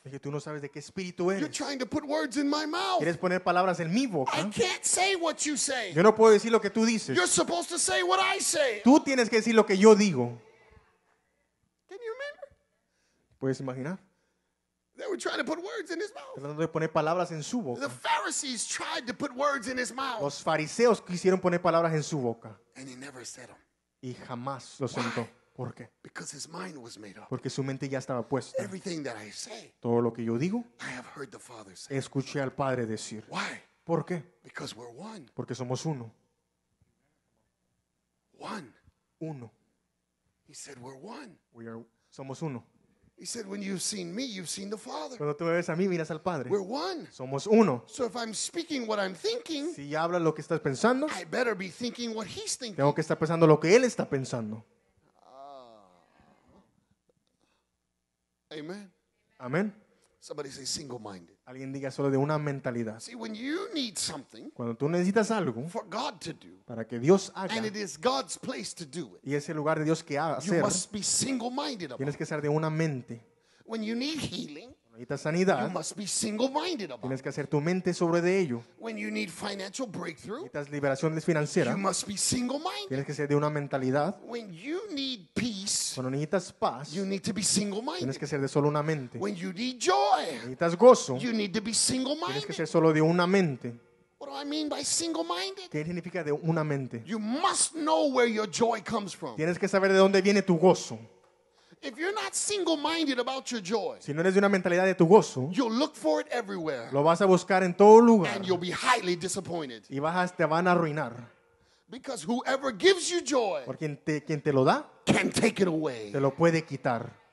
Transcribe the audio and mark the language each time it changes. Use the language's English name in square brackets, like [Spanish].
[Spanish] Dije, tú no sabes de qué espíritu eres. [English] You're trying to put words in my mouth. [Spanish] Quieres poner palabras en mi boca. [English] I can't say what you say. [Spanish] Yo no puedo decir lo que tú dices. [English] You're supposed to say what I say. [Spanish] Tú tienes que decir lo que yo digo. [English] Can you remember? [Spanish] ¿Puedes imaginar? [English] They were trying to put words in his mouth. [Spanish] Tratando de poner palabras en su boca. [English] The Pharisees tried to put words in his mouth. [Spanish] Los fariseos quisieron poner palabras en su boca. [English] And he never said them. [Spanish] Y jamás lo sentó. ¿Por qué? [English] Because his mind was made up. [Spanish] Porque su mente ya estaba puesta. [English] Everything that I say, [Spanish] todo lo que yo digo, [English] I have heard the Father say. [Spanish] Escuché al Padre decir. [English] Why? [Spanish] ¿Por qué? [English] Because we're one. [Spanish] Porque somos uno. [English] One. [Spanish] Uno. [English] He said we're one. [Spanish] Somos uno. [English] He said when you've seen me, you've seen the Father. [Spanish] Cuando tú ves a mí, miras al Padre. [English] We're one. [Spanish] Somos uno. [English] So if I'm speaking what I'm thinking, [Spanish] si hablas lo que estás pensando, [English] I better be thinking what he's thinking. [Spanish] Tengo que estar pensando lo que él está pensando. [English] Amen. [Spanish] Amen. [English] Somebody say single-minded. [Spanish] Alguien diga solo de una mentalidad. [English] See, when you need something, [Spanish] cuando tú necesitas algo, [English] for God to do, [Spanish] para que Dios haga, [English] and it is God's place to do it, [Spanish] y es el lugar de Dios que hacer, [English] you must be single-minded. [Spanish] Tienes que ser de una mente. [English] When you need healing, [Spanish] necesitas sanidad, [English] you must be single-minded about. [Spanish] Tienes que hacer tu mente sobre de ello. [English] When you need financial breakthrough, [Spanish] necesitas liberación financiera, [English] you must be single-minded. [Spanish] Tienes que ser de una mentalidad. [English] When you need peace, [Spanish] cuando necesitas paz, [English] you need to be single-minded. [Spanish] Tienes que ser de solo una mente. [English] When you need joy, [Spanish] necesitas gozo, [English] you need to be single-minded. [Spanish] Tienes que ser solo de una mente. [English] What do I mean by single-minded? [Spanish] ¿Qué significa de una mente? [English] You must know where your joy comes from. [Spanish] Tienes que saber de dónde viene tu gozo. [English] If you're not single-minded about your joy, [Spanish] si no eres de una mentalidad de tu gozo, [English] you'll look for it everywhere, [Spanish] lo vas a buscar en todo lugar, [English] and you'll be highly disappointed. [Spanish] Y vas a, te van a arruinar. [English] Because whoever gives you joy, [Spanish] porque quien te lo da, [English] can take it away, [Spanish] te lo puede quitar.